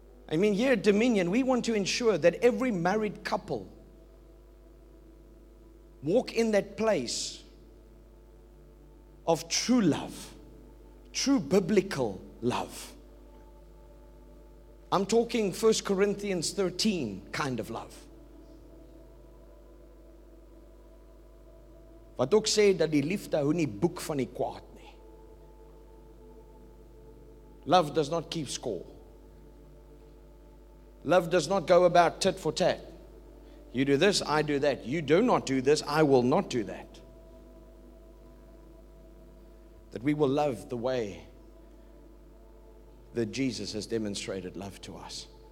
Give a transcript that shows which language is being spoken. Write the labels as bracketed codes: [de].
[en] I mean, here at Dominion, we want to ensure that every married couple walk in that place of true love, true biblical love. I'm talking 1 Corinthians 13 kind of love. [af] Wat ook sê dat die liefde hoe nie boek van die kwaad nie. [en] Love does not keep score. Love does not go about tit for tat. You do this, I do that. You do not do this, I will not do that. That we will love the way that Jesus has demonstrated love to us.